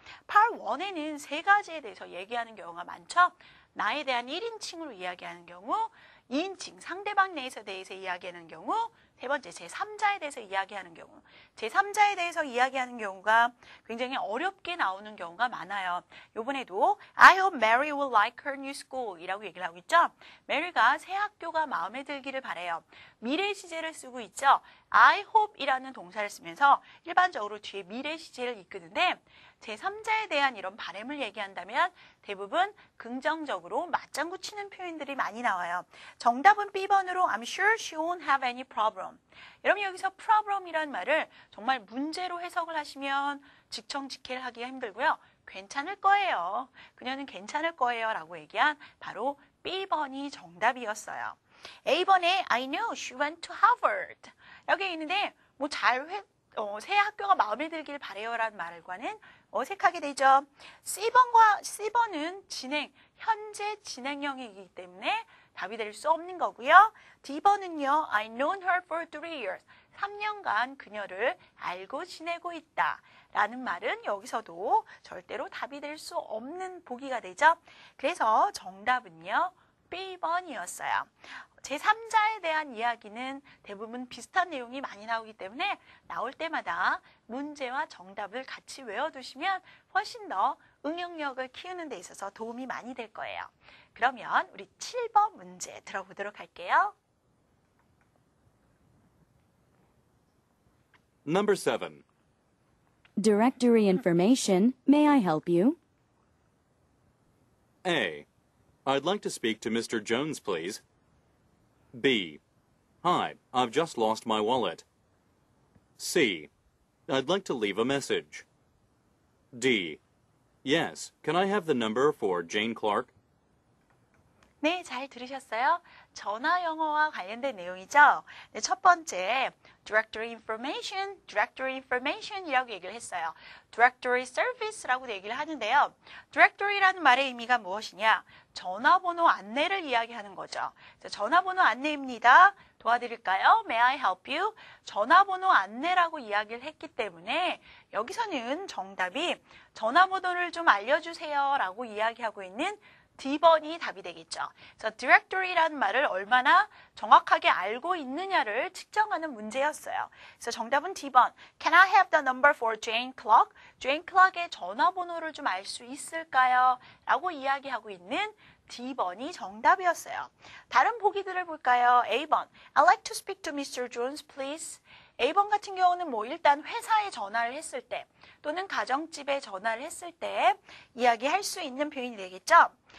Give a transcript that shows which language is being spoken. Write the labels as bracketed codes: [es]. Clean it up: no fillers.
[ko] Part 1에는 세 가지에 대해서 얘기하는 경우가 많죠. 나에 대한 1인칭으로 이야기하는 경우, 2인칭 상대방 내에서 대해서 이야기하는 경우, 세 번째 제3자에 대해서 이야기하는 경우, 제3자에 대해서 이야기하는 경우가 굉장히 어렵게 나오는 경우가 많아요. [en] 이번에도 I hope Mary will like her new school 이라고 얘기를 하고 있죠. [ko] Mary가 새 학교가 마음에 들기를 바래요. 미래 시제를 쓰고 있죠. I hope 이라는 동사를 쓰면서 일반적으로 뒤에 미래 시제를 이끄는데 제3자에 대한 이런 바람을 얘기한다면 대부분 긍정적으로 맞장구 치는 표현들이 많이 나와요. [en] 정답은 B번으로 I'm sure she won't have any problem. [ko] 여러분 여기서 problem이라는 말을 정말 문제로 해석을 하시면 직청직해를 하기가 힘들고요. 괜찮을 거예요. 그녀는 괜찮을 거예요 라고 얘기한 바로 B번이 정답이었어요. [en] A번에 I know she went to Harvard. [ko] 여기 있는데 뭐 잘 새 학교가 마음에 들길 바래요 라는 말과는 어색하게 되죠. C번은 진행, 현재 진행형이기 때문에 답이 될 수 없는 거고요. [en] D번은요, I known her for 3 years. [ko] 3년간 그녀를 알고 지내고 있다 라는 말은 여기서도 절대로 답이 될 수 없는 보기가 되죠. 그래서 정답은요, B번이었어요. 제3자에 대한 이야기는 대부분 비슷한 내용이 많이 나오기 때문에 나올 때마다 문제와 정답을 같이 외워두시면 훨씬 더 응용력을 키우는 데 있어서 도움이 많이 될 거예요. 그러면 우리 7번 문제 들어보도록 할게요. [en] Number 7. Directory information, may I help you? A. I'd like to speak to Mr. Jones, please. B. Hi, I've just lost my wallet. C. I'd like to leave a message. D. Yes, can I have the number for Jane Clark? [ko] 네, 잘 들으셨어요? 전화 영어와 관련된 내용이죠? 네, 첫 번째, directory information이라고 얘기를 했어요. directory service라고 얘기를 하는데요. directory라는 말의 의미가 무엇이냐? 전화번호 안내를 이야기하는 거죠. 그래서 전화번호 안내입니다. [en] 도와드릴까요? May I help you? [ko] 전화번호 안내라고 이야기를 했기 때문에 여기서는 정답이 전화번호를 좀 알려주세요 라고 이야기하고 있는 D번이 답이 되겠죠. 그래서 directory라는 말을 얼마나 정확하게 알고 있느냐를 측정하는 문제였어요. 그래서 정답은 D번. [en] Can I have the number for Jane Clark? [ko] Jane Clark의 전화번호를 좀 알 수 있을까요? 라고 이야기하고 있는 D번이 정답이었어요. [en] 다른 보기들을 볼까요? A번. I'd like to speak to Mr. Jones, please. [ko] A번 같은 경우는 뭐 일단 회사에 전화를 했을 때 또는 가정집에 전화를 했을 때 이야기할 수 있는 표현이 되겠죠.